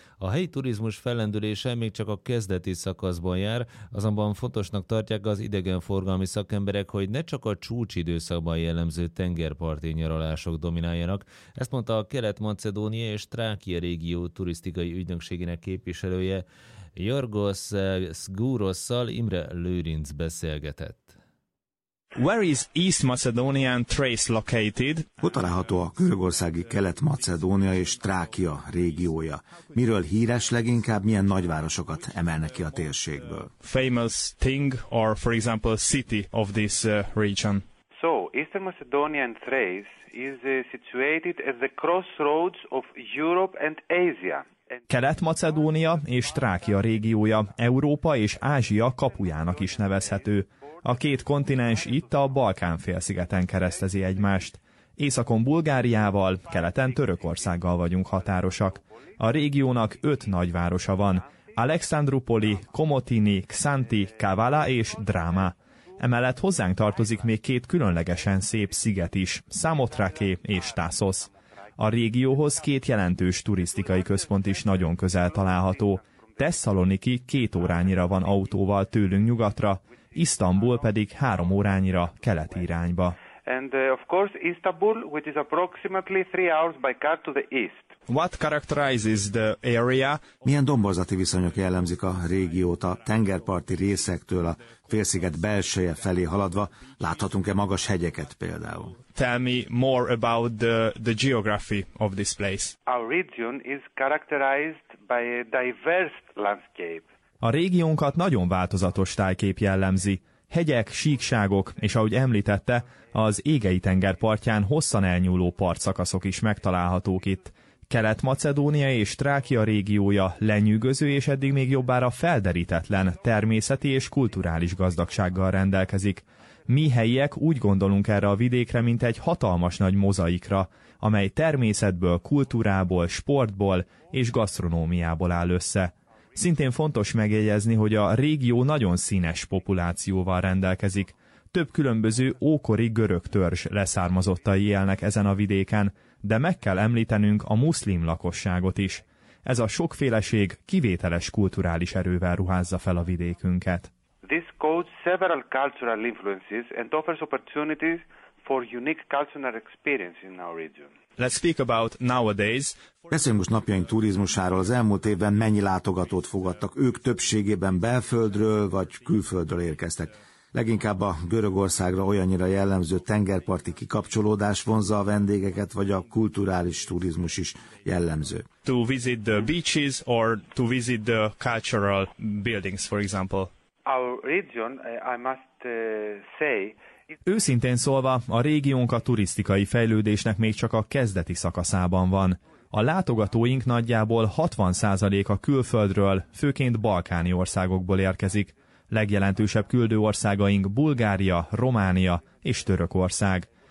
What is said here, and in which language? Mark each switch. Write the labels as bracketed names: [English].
[Hungarian] A helyi turizmus fellendülése még csak a kezdeti szakaszban jár, azonban fontosnak tartják az idegenforgalmi szakemberek, hogy ne csak a csúcsidőszakban jellemző tengerparti nyaralások domináljanak. Ezt mondta a Kelet-Macedónia és Trákia régió turisztikai ügynökségének képviselője, Jorgos Szgúrosszal Imre Lőrinc beszélgetett. [English] Where is East Macedonian Thrace located? [Hungarian] Hol található a görögországi Kelet-Macedónia és Trákia régiója? Miről híres leginkább, milyen nagyvárosokat emelnek ki a térségből? [English] Famous thing or for example city of this region. So, East Macedonian Thrace is situated at the crossroads of Europe and Asia. [Hungarian] Kelet-Macedónia és Trákia régiója Európa és Ázsia kapujának is nevezhető. A két kontinens itt a Balkán-félszigeten keresztezi egymást. Északon Bulgáriával, keleten Törökországgal vagyunk határosak. A régiónak öt nagyvárosa van. Alexandrupoli, Komotini, Xanti, Kavala és Drama. Emellett hozzánk tartozik még két különlegesen szép sziget is, Samothrake és Thasos. A régióhoz két jelentős turisztikai központ is nagyon közel található. Thessaloniki két órányira van autóval tőlünk nyugatra, Isztambul pedig három órányira keleti irányba. [English] And of course Istanbul, which is approximately 3 hours by car to the east. What characterizes the area? [Hungarian] Milyen domborzati viszonyok jellemzik a régiót a tengerparti részektől a félsziget belseje felé haladva? Láthatunk-e magas hegyeket például? [English] Tell me more about the geography of this place. Our region is characterized by a diverse landscape. [Hungarian] A régiónkat nagyon változatos tájkép jellemzi. Hegyek, síkságok, és ahogy említette, az Égei-tenger partján hosszan elnyúló partszakaszok is megtalálhatók itt. Kelet-Macedónia és Trákia régiója lenyűgöző és eddig még jobbára felderítetlen természeti és kulturális gazdagsággal rendelkezik. Mi helyiek úgy gondolunk erre a vidékre, mint egy hatalmas nagy mozaikra, amely természetből, kultúrából, sportból és gasztronómiából áll össze. Szintén fontos megjegyezni, hogy a régió nagyon színes populációval rendelkezik. Több különböző ókori görög törzs leszármazottai élnek ezen a vidéken, de meg kell említenünk a muszlim lakosságot is. Ez a sokféleség kivételes kulturális erővel ruházza fel a vidékünket. [English] This codes several cultural influences and offers opportunities for unique cultural experience in our region. Let's speak about nowadays. [Hungarian] Beszéljünk most napjaink turizmusáról. Az elmúlt évben mennyi látogatót fogadtak? Ők többségében belföldről vagy külföldről érkeztek? Leginkább a Görögországra olyannyira jellemző tengerparti kikapcsolódás vonzza a vendégeket, vagy a kulturális turizmus is jellemző? [English] To visit the beaches or to visit the cultural buildings, for example. Our region, I must say... [Hungarian] Őszintén szólva, a régiónk a turisztikai fejlődésnek még csak a kezdeti szakaszában van. A látogatóink nagyjából 60%-a külföldről, főként balkáni országokból érkezik. Legjelentősebb küldőországaink Bulgária, Románia és Törökország.